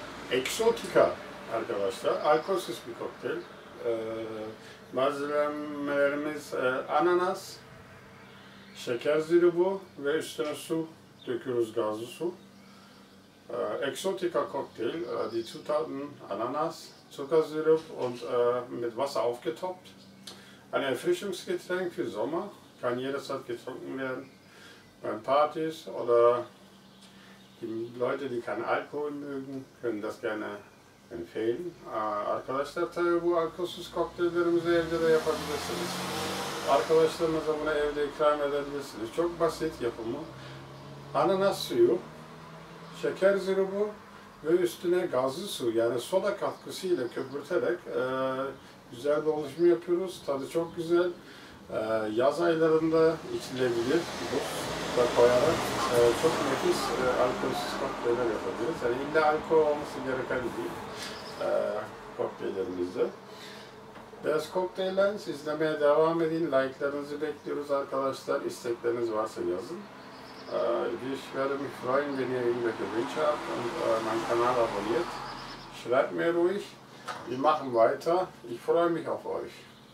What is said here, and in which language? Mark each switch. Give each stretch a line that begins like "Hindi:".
Turkish: Exotica arkadaşlar, alkolsüz bir kokteyl. Malzemelerimiz ananas, şeker sirubu ve üstüne su döküyoruz, gazlı su.
German: Exotica kokteyl, die Zutaten ananas, Zuckersirup und mit Wasser aufgetoppt. Ein Erfrischungsgetränk für Sommer, kann jederzeit getrunken werden, beim Partys oder die Leute, die keinen Alkohol mögen, können das gerne empfehlen.
Turkish: Arkadaşlar tabi bu alkolsüz kokteyllerimizi evde de yapabilirsiniz. Arkadaşlarınıza bunu evde ikram edebilirsiniz. Çok basit yapımı. Ananas suyu, şeker sirubu ve üstüne gazlı su, yani soda katkısıyla köpürterek güzel bir oluşumu yapıyoruz. Tadı çok güzel. Yaz aylarında içilebilir. Da koyarak çok nefis alkolsüz kokteyller yapabiliriz. Yani illa alkol olması gereken değil kokteyllerimizde. Best Cocktail Lines, izlemeye devam edin. Like'larınızı bekliyoruz arkadaşlar. İstekleriniz varsa yazın.
German: Ich werde mich freuen, wenn ihr irgendwelche Wünsche habt und meinen Kanal abonniert. Schreibt mir ruhig. Wir machen weiter. Ich freue mich auf euch.